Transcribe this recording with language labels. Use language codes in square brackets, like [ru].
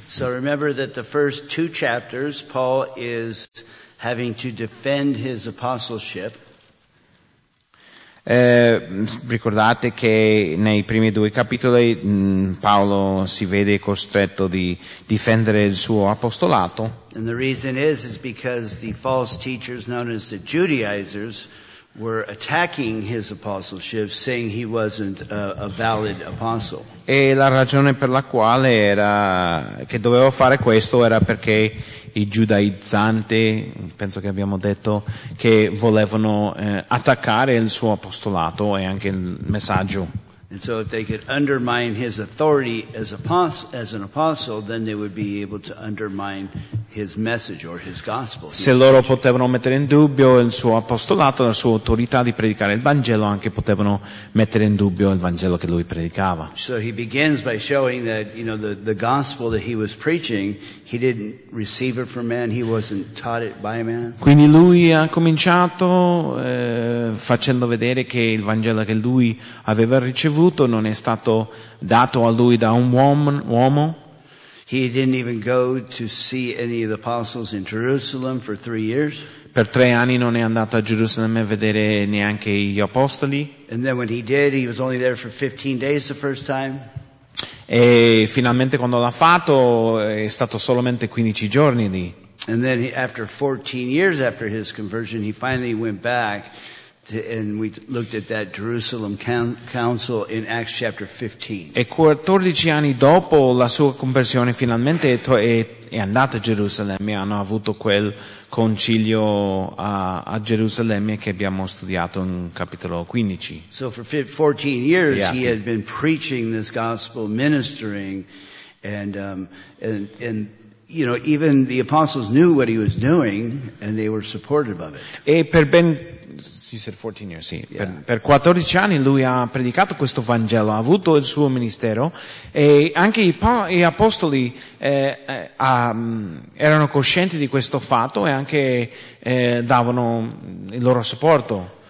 [en] So remember that the first two chapters Paul is having to defend his apostleship. [it] Ricordate che nei primi due capitoli Paolo si vede costretto di difendere il suo apostolato. [en] And the reason is because the false teachers known as the Judaizers were attacking his apostleship, saying he wasn't a valid apostle. [it] E la ragione per la quale era che dovevo fare questo era perché i giudaizzanti, penso che abbiamo detto, che volevano attaccare il suo apostolato e anche il messaggio. [en] And so if they could undermine his authority as an apostle, then they would be able to undermine his message or his gospel. [it] Se loro potevano mettere in dubbio il suo apostolato, la sua autorità di predicare il Vangelo, anche potevano mettere in dubbio il Vangelo che lui predicava. [en] So he begins by showing that, you know, the gospel that he was preaching, he didn't receive it from man, he wasn't taught it by man. [it] Quindi lui ha cominciato facendo vedere che il Vangelo che lui aveva ricevuto non è stato dato a lui da un uomo. [en] He didn't even go to see any of the apostles in Jerusalem for 3 years. [it] Per 3 anni non è andato a Gerusalemme a vedere neanche gli apostoli. [en] And then when he did, he was only there for 15 days the first time. [it] E finalmente quando l'ha fatto è stato solamente 15 giorni lì. [en] And then after 14 years after his conversion, he finally went back. And we looked at that Jerusalem council in Acts chapter 15. [it] E 14 anni dopo la sua conversione finalmente è andato a Gerusalemme, hanno avuto quel concilio a Gerusalemme che abbiamo studiato in capitolo 15. [en] So for 14 years he had been preaching this gospel, ministering, and you know, even the apostles knew what he was doing and they were supportive of it. [it] E per ben, [en] you said 14 years, sì. Yeah. [it] Per 14 anni lui ha predicato questo Vangelo, ha avuto il suo ministero e anche gli apostoli erano coscienti di questo fatto e anche davano il loro supporto.